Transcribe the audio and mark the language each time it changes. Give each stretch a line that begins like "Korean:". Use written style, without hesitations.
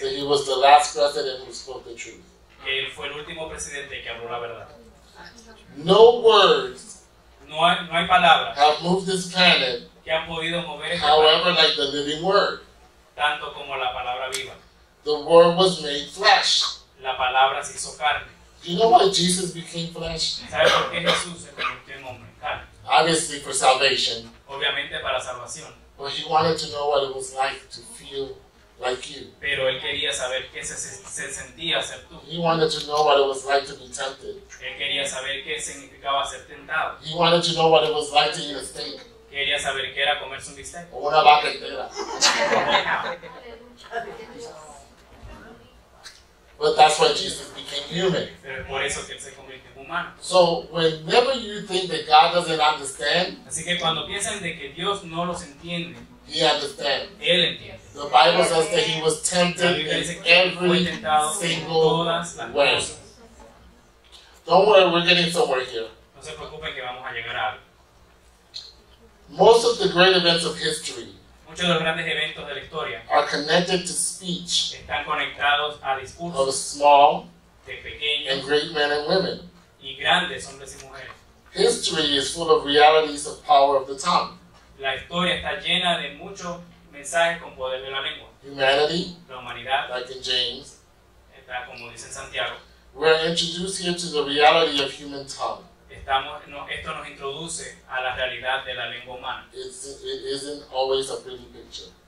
English: That he was the last president who spoke the truth.
Spanish: Él fue el último presidente que habló la verdad.
English: No words.
Spanish: No hay palabras.
English: Have moved this planet.
Spanish: Que han podido mover este
English: however, planet. Like the living word.
Spanish: Tanto como la palabra viva.
English: The word was made flesh.
Spanish: La palabra se hizo carne.
English: You know why Jesus became flesh?
Spanish: ¿Sabes por qué Jesús se convirtió en hombre? Carne.
English: Obviously for salvation.
Spanish: Obviamente para salvación.
English: But he wanted to know what it was like to feel. Like you.
Spanish: Pero él quería saber qué se sentía ser tú.
English: He wanted to know what it was like to be tempted.
Spanish: Él quería saber qué significaba ser tentado.
English: He wanted to know what it was like to eat a steak.
Spanish: Quería saber qué era comerse un bistec. O una vaca entera.
English: But that's why Jesus became human.
Spanish: Pero por eso que él se convirtió en humano.
English: So whenever you think that God doesn't understand.
Spanish: Así que cuando piensan de que Dios no los entiende.
English: He understands.
Spanish: Él entiende.
English: The Bible says that he was tempted in every single way. Don't worry, we're getting somewhere here.
Spanish: No se preocupen que vamos a llegar a algo.
English: Most of the great events of history
Spanish: muchos de los grandes eventos de la historia
English: are connected to speech
Spanish: están conectados a discursos
English: of small
Spanish: de pequeños
English: and great men and women.
Spanish: Y grandes hombres y mujeres.
English: History is full of realities of power of the tongue.
Spanish: La historia está llena de mucho mensajes con poder de la lengua.
English: Humanity,
Spanish: la humanidad,
English: like in James,
Spanish: está como dice Santiago.
English: We are introduced here to the reality of human tongue.
Spanish: Estamos, no, esto nos introduce a la realidad de la lengua humana.
English: It isn't always a pretty picture.